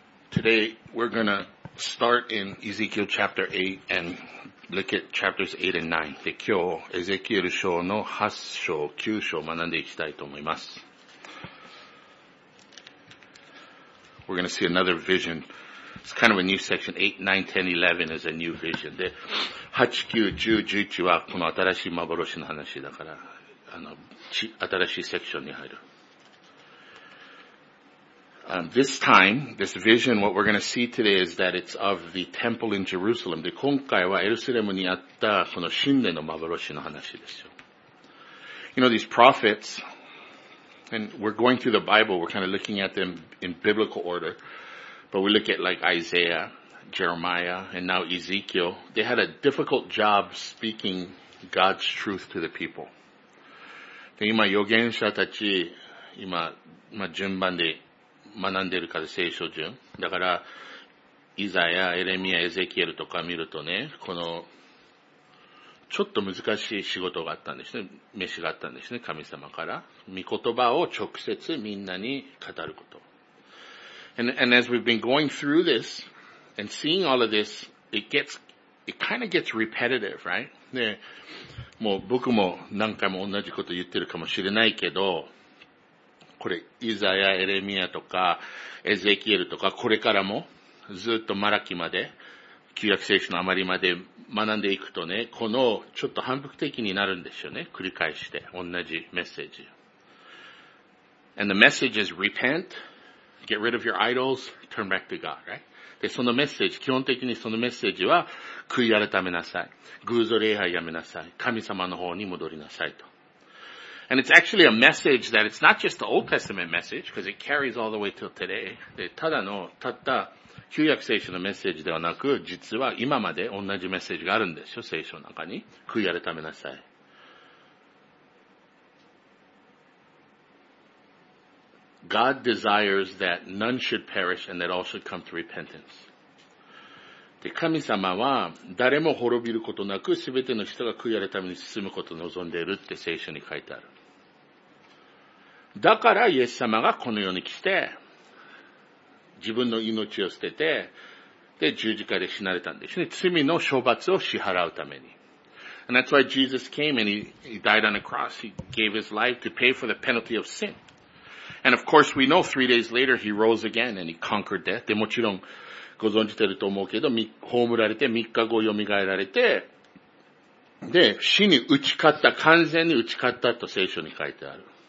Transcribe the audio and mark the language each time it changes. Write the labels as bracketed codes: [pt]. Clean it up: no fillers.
[en] Today we're going to start in Ezekiel chapter 8 and look at chapters 8 and 9. [ja] で、今日、エゼキエル書の8章、9章を学んでいきたいと思います。 [en] We're going to see another vision. It's kind of a new section. 8, 9, 10, 11 is a new vision. [ja] で、8、9、10、11はこの新しい幻の話だから、新しいセクションに入る。 [en] This time, this vision, what we're going to see today is that it's of the temple in Jerusalem. [ja] で、今回はエルサレムにあったこの神殿の幻の話ですよ。 [en] You know, these prophets, and we're going through the Bible, we're kind of looking at them in biblical order, but we look at like Isaiah, Jeremiah, and now Ezekiel. They had a difficult job speaking God's truth to the people. [ja] で、今、預言者たち、今順番で学んでるから聖書順。だから、イザヤ、エレミア、エゼキエルとか見るとね、この、ちょっと難しい仕事があったんですね。飯があったんですね。神様から。御言葉を直接みんなに語ること。 [en] And as we've been going through this, and seeing all of this, it kind of gets repetitive, right? で、 [ja] もう僕も何回も同じこと言ってるかもしれないけど、これイザヤ、エレミアとかエゼキエルとかこれからもずっとマラキまで旧約聖書のあまりまで学んでいくとね、このちょっと反復的になるんですよね。繰り返して同じメッセージ。 [en] And the message is repent, get rid of your idols, turn back to God, right? [ja] で、そのメッセージ、基本的にそのメッセージは悔い改めなさい、偶像礼拝やめなさい、神様の方に戻りなさいと。 [en] And it's actually a message that it's not just the Old Testament message, because it carries all the way till today. [ja] ただの、たった、旧約聖書のメッセージではなく、実は今まで同じメッセージがあるんですよ、聖書の中に。悔い改めなさい。 [en] God desires that none should perish and that all should come to repentance. [ja] で、神様は、誰も滅びることなく、すべての人が悔い改めに進むことを望んでいるって聖書に書いてある。だから、イエス様がこの世に来て、自分の命を捨てて、で、十字架で死なれたんですね。罪の処罰を支払うために。 [en] And that's why Jesus came and he died on a cross. He gave his life to pay for the penalty of sin. And of course, we know 3 days later he rose again and he conquered death. [ja] で、もちろん、ご存じてると思うけど、葬られて、3日後蘇られて、で、死に打ち勝った、完全に打ち勝ったと聖書に書いてある。